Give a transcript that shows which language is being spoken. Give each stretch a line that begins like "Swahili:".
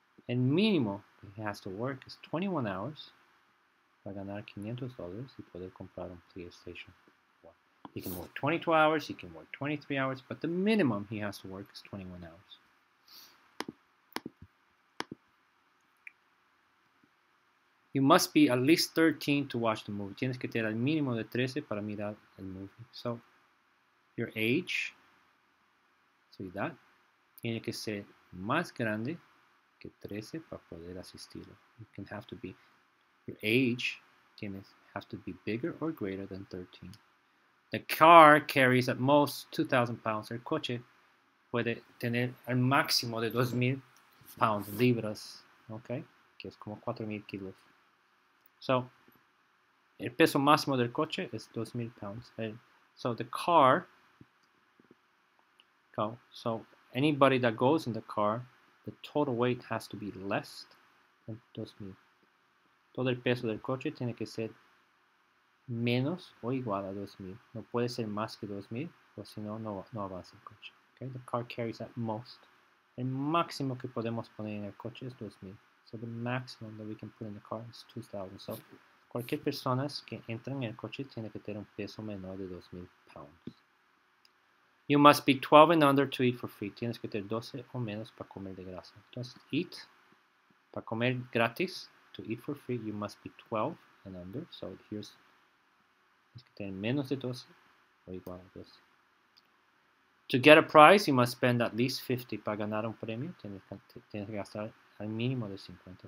English: And mínimo he has to work is 21 hours
Spanish: para ganar $500 y poder comprar un PlayStation 4.
English: He can work 22 hours, he can work 23 hours, but the minimum he has to work is 21 hours. You must be at least 13 to watch the movie.
Spanish: Tienes que tener al mínimo de 13 para mirar el movie.
English: So, your age,
Spanish: su edad, tiene que ser más grande que 13 para poder asistirlo. You can have to be, your age tienes, have to be bigger or greater than 13.
English: The car carries at most 2,000 pounds.
Spanish: El coche puede tener al máximo de 2,000 pounds, libras, okay? Que es como 4,000 kilos. So, el peso máximo del coche es 2,000 pounds.
English: And so, the car, so anybody that goes in the car, the total weight has to be less than 2,000.
Spanish: Todo el peso del coche tiene que ser menos o igual a 2,000. No puede ser más que 2,000, o si no, no avanza el coche. Okay?
English: The car carries at most.
Spanish: El máximo que podemos poner en el coche es 2,000.
English: So the maximum that we can put in the car is 2,000.
Spanish: So cualquier persona que entra en el coche tiene que tener un peso menor de 2,000 pounds.
English: You must be 12 and under to eat for free.
Spanish: Tienes que tener 12 o menos para comer de grasa. Entonces, eat, para comer gratis,
English: to eat for free, you must be 12 and under. So here's,
Spanish: tienes que tener menos de 12 o igual a 12.
English: To get a prize, you must spend at least 50.
Spanish: Para ganar un premio, tienes que gastar al mínimo de 50.